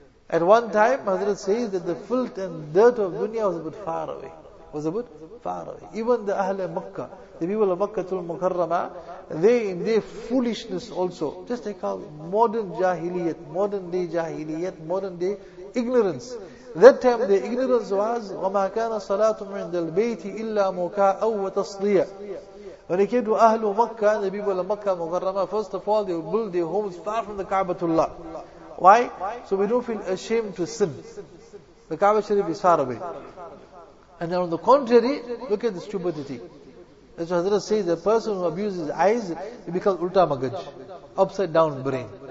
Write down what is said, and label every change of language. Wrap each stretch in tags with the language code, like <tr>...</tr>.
<en>At one time, Hazrat says that the filth and dirt of dunya was a bit far away. Was a bit far away. Even the Ahl Makkah, the people of Makkah tul Mukarrama, they in their foolishness also, just like how modern jahiliyat, modern day jahiliyat, modern day ignorance. That time the ignorance was</en> <ar>وَمَا كَانَ صَلَاتُمْ عِنْدَ الْبَيْتِ إِلَّا مُكَاءً وَتَصْلِيَةً.</ar> <en>When it came to Ahlu Makkah and the people of Makkah Mukarramah, first of all they would build their homes far from the Kaabatullah. Why? So we don't feel ashamed to sin. The Kaaba Sharif is far away. And then on the contrary, look at the stupidity. As Hazrat says, the person who abuses eyes, he becomes ulta magaj, upside down brain.</en>